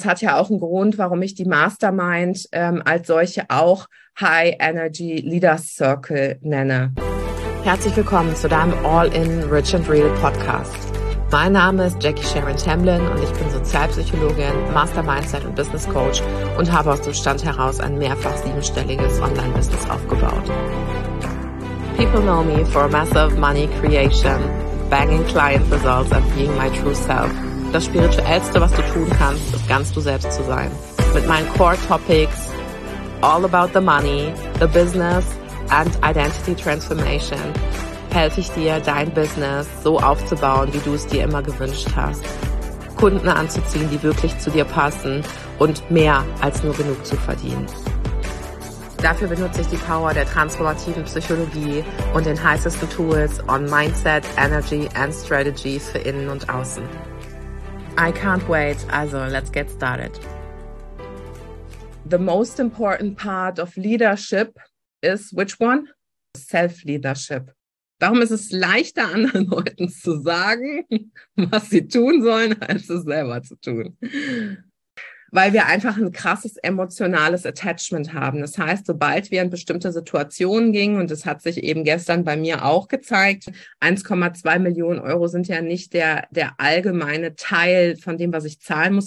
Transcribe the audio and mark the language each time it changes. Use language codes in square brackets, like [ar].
[de] hat ja auch einen Grund, warum ich die Mastermind als solche auch High Energy Leaders Circle nenne. Herzlich willkommen zu deinem All-in Rich and Real Podcast. Mein Name ist Jackie Sharon Tamblyn und ich bin Sozialpsychologin, Master Mindset und Business Coach und habe aus dem Stand heraus ein mehrfach siebenstelliges Online-Business aufgebaut. [en] People know me for massive money creation, banging client results and being my true self. [de] Das Spirituellste, was du tun kannst, ist ganz du selbst zu sein. Mit meinen Core Topics, [en] all about the money, the business and identity transformation, [de] helfe ich dir, dein Business so aufzubauen, wie du es dir immer gewünscht hast. Kunden anzuziehen, die wirklich zu dir passen und mehr als nur genug zu verdienen. Dafür benutze ich die Power der transformativen Psychologie und den heißesten Tools [en] on Mindset, Energy and Strategy [de] für Innen und Außen. [en] I can't wait, also let's get started. The most important part of leadership is which one? Self-leadership. [de] Darum ist es leichter, anderen Leuten zu sagen, was sie tun sollen, als es selber zu tun. Weil wir einfach ein krasses emotionales Attachment haben. Das heißt, sobald wir in bestimmte Situationen gingen, und das hat sich eben gestern bei mir auch gezeigt, 1,2 Millionen Euro sind ja nicht der allgemeine Teil von dem, was ich zahlen muss.